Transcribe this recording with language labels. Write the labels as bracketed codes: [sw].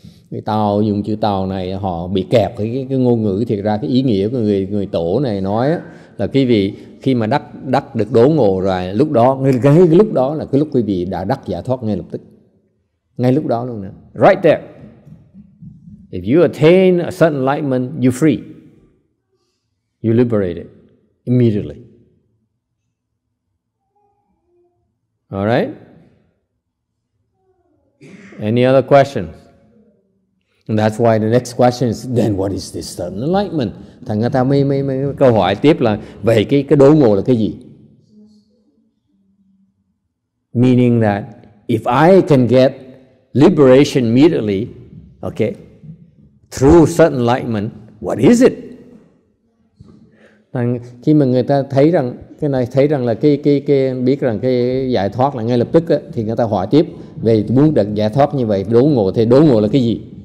[vi] Người Tàu dùng chữ Tàu này họ bị kẹp cái ngôn ngữ, thiệt ra cái ý nghĩa của người tổ này nói á, là quý vị khi mà đắc được đố ngộ rồi, lúc đó ngay lúc đó là cái lúc quý vị đã đắc giải thoát ngay lập tức. Ngay lúc đó luôn nữa. [en] Right there. If you attain a certain enlightenment, you're free. You're liberated immediately. All right? Any other questions? And that's why the next question is, then what is this certain enlightenment? [vi] Thằng người ta mới câu hỏi tiếp là về cái đố ngộ là cái gì? [en] Meaning that if I can get liberation immediately, okay, through certain enlightenment, what is it? [vi] Khi mà người ta thấy rằng cái này, thấy rằng là cái biết rằng cái giải thoát là ngay lập tức á, thì người ta hỏi tiếp về muốn được giải thoát như vậy, đố ngộ thì đố ngộ là cái gì?